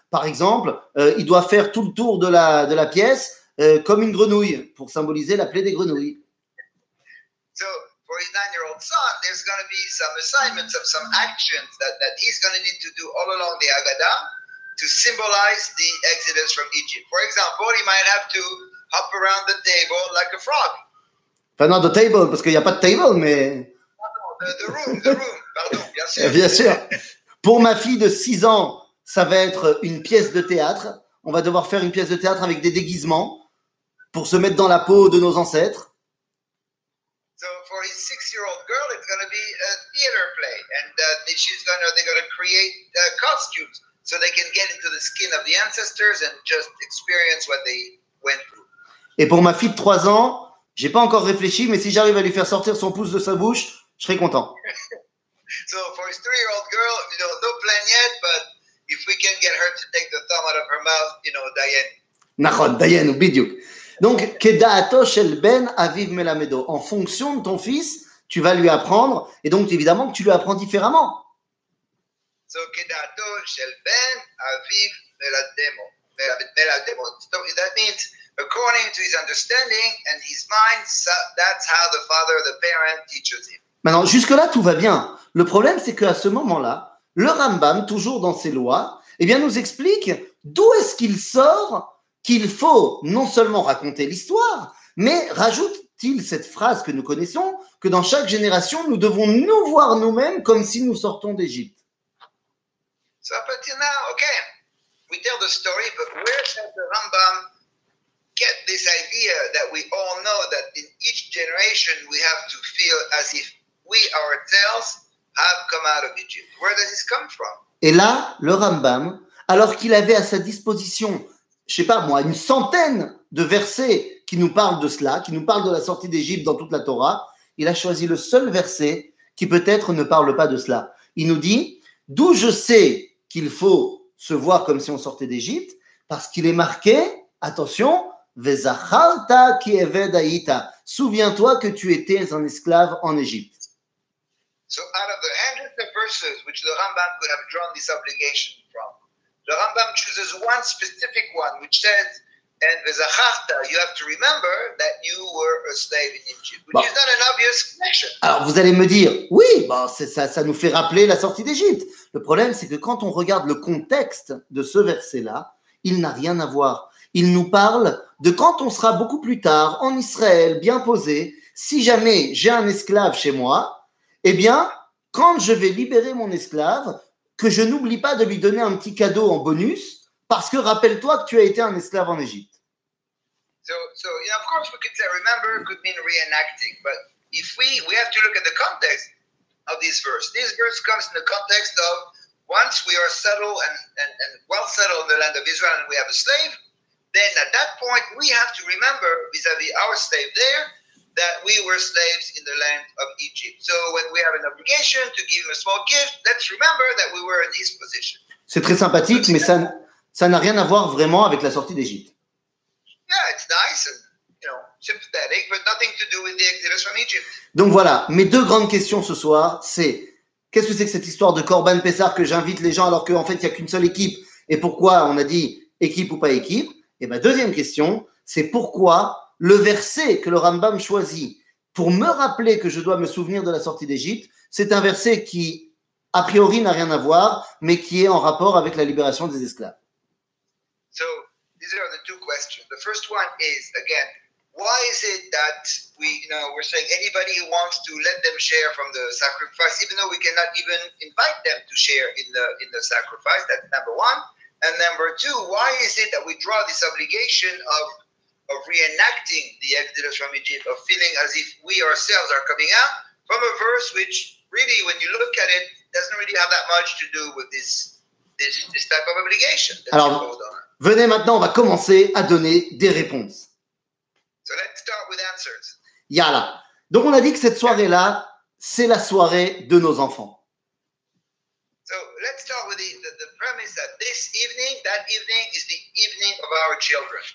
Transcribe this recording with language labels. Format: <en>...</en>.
<fr>Par exemple, il doit faire tout le tour de la pièce comme une grenouille pour symboliser la plaie des grenouilles.</fr> <en>So, for his 9-year-old son, there's going to be some assignments of some actions that he's going to need to do all along the Haggadah to symbolize the exodus from Egypt. For example, he might have to hop around the table like a frog.</en> <fr>Enfin,</fr> <en>not the table,</en> <fr>parce qu'il n'y a pas de table, mais...</fr> <en>The room,</en> <fr>bien sûr. Pour ma fille de 6 ans, ça va être une pièce de théâtre. On va devoir faire une pièce de théâtre avec des déguisements pour se mettre dans la peau de nos ancêtres.</fr> <en>So for his 6-year-old girl, it's going to be a theater play. And they're going to create costumes so they can get into the skin of the ancestors and just experience what they went through.</en> <fr>Et pour ma fille de 3 ans, j'ai pas encore réfléchi, mais si j'arrive à lui faire sortir son pouce de sa bouche, je serai content.</fr> <en>So for his 3-year-old girl, you know, no plan yet, but if we can get her to take the thumb out of her mouth, you know, Diane.</en> <he>Nachon, Diane, bidiouk.</he> <fr>Donc,</fr> <he>Kedaato Shel Ben Aviv Melamedo.</he> <fr>En fonction de ton fils, tu vas lui apprendre, et donc évidemment que tu lui apprends différemment.</fr> <he>So Kedaato Shel Ben Aviv Melamedo. Melamedo.</he> <en>So that means, according to his understanding and his mind, so that's how the father, the parent, teaches him.</en> <fr>Maintenant, jusque-là, tout va bien. Le problème, c'est qu'à ce moment-là, le Rambam, toujours dans ses lois, eh bien, nous explique d'où est-ce qu'il sort qu'il faut non seulement raconter l'histoire, mais rajoute-t-il cette phrase que nous connaissons, que dans chaque génération, nous devons nous voir nous-mêmes comme si nous sortons d'Égypte.</fr> <en>So, but you know, okay, we tell the story, but where shall the Rambam get this idea that we all know that in each generation we have to feel as if we ourselves have come out of Egypt? Where does this come from?</en> <fr>Et là, le Rambam, alors qu'il avait à sa disposition, je sais pas moi, une centaine de versets qui nous parlent de cela, qui nous parlent de la sortie d'Égypte dans toute la Torah, il a choisi le seul verset qui peut-être ne parle pas de cela. Il nous dit, d'où je sais qu'il faut se voir comme si on sortait d'Égypte, parce qu'il est marqué, attention,</fr> <he>Vezachalta ki eved haita.</he> <fr>Souviens-toi que tu étais un esclave en Égypte.</fr> <en>So out of the hundreds of verses which the Rambam could have drawn this obligation from, the Rambam chooses one specific one which says, and Vezachalta, you have to remember that you were a slave in Egypt, which is not an obvious connection.</en> <fr>Alors vous allez me dire, oui, ça nous fait rappeler la sortie d'Égypte. Le problème, c'est que quand on regarde le contexte de ce verset-là, il n'a rien à voir. Il nous parle de quand on sera beaucoup plus tard en Israël, bien posé, si jamais j'ai un esclave chez moi, eh bien, quand je vais libérer mon esclave, que je n'oublie pas de lui donner un petit cadeau en bonus, parce que rappelle-toi que tu as été un esclave en Égypte.</fr> <en>So, you know, of course, we could say remember could mean reenacting, but if we have to look at the context of this verse. This verse comes in the context of once we are settled and well settled in the land of Israel and we have a slave, then at that point, we have to remember vis-à-vis our slave there that we were slaves in the land of Egypt. So when we have an obligation to give a small gift, let's remember that we were in this position.</en> <fr>C'est très sympathique, mais ça n'a rien à voir vraiment avec la sortie d'Égypte.</fr> <en>Yeah, it's nice and, you know, sympathetic, but nothing to do with the exodus from Egypt.</en> <fr>Donc voilà, mes deux grandes questions ce soir, c'est qu'est-ce que c'est que cette histoire de Corban Pessar que j'invite les gens alors qu'en fait, il n'y a qu'une seule équipe, et pourquoi on a dit équipe ou pas équipe? Et ma deuxième question, c'est pourquoi le verset que le Rambam choisit pour me rappeler que je dois me souvenir de la sortie d'Égypte, c'est un verset qui, a priori, n'a rien à voir, mais qui est en rapport avec la libération des esclaves.</fr> <en>So, these are the two questions. The first one is, again, why is it that we, you know, we're saying anybody who wants to let them share from the sacrifice, even though we cannot even invite them to share in the sacrifice, that's number one. And number two, why is it that we draw this obligation of of reenacting the Exodus from Egypt, of feeling as if we ourselves are coming out from a verse which really, when you look at it, doesn't really have that much to do with this type of obligation.</en> <fr>Alors, venez maintenant, on va commencer à donner des réponses.</fr> <en>So let's start with answers.</en> <ar>Yala.</ar> <fr>Donc on a dit que cette soirée-là, c'est la soirée de nos enfants.</fr> <en>So let's start with the premise that this evening, that evening is the evening of our children.</en>